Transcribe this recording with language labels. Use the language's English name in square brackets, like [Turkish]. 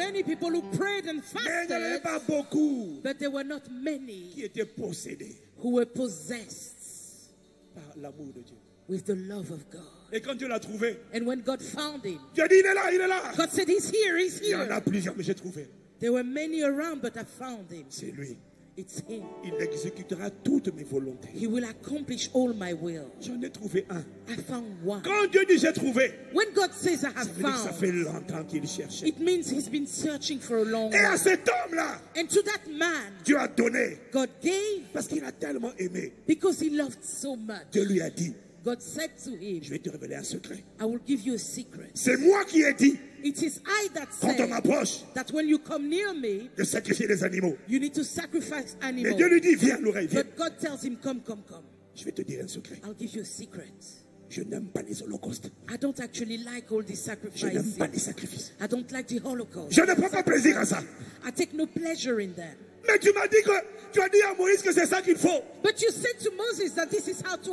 [English] Many people who prayed and fasted. [French] Mais il y en avait pas beaucoup. [English] But there were not many. [French] Qui étaient possédés. [English] Who were possessed. [French] Par l'amour de Dieu. [English] With the love of God. [French] Et quand Dieu l'a trouvé. [English] And when God found him. [French] Dieu dit, il est là, il est là. [English] God said, he's here, he's here. [French] Il y en a plusieurs, mais j'ai trouvé. [English] There were many around, but I found him. [French] C'est lui. [English] It's him. [French] Il exécutera toutes mes volontés. [English] He will accomplish all my will. [French] J'en ai trouvé un. [English] I found one. [French] Quand Dieu dit, j'ai trouvé. [English] When God says, I have found. [French] Ça fait longtemps qu'il cherchait. [English] It means he's been searching for a long time. [French] Et à cet homme-là. [English] And to that man. [French] Dieu a donné. [English] God gave. [French] Parce qu'il a tellement aimé. [English] Because he loved so much. [French] Dieu lui a dit. [English] God said to him, [French] je vais te révéler un secret. [English] I will give you a secret. [French] C'est moi qui ai dit. [English] It is I that [French] quand on m'approche. [English] That when you come near me. [French] De sacrifier des animaux. [English] You need to sacrifice animals. [French] Mais Dieu lui dit, viens l'oreille, viens. [English] But God tells him, come. [French] Je vais te dire un secret. [English] I'll give you a secret. [French] Je n'aime pas les holocaustes. [English] I don't actually like all these sacrifices. [French] Je n'aime pas les sacrifices. [English] I don't like the holocaust. [French] Je ne prends pas plaisir à ça. [English] I take no pleasure in them. [French] Mais tu m'as dit que tu as dit à Moïse que c'est ça qu'il faut. [English] But you said to Moses that this is how to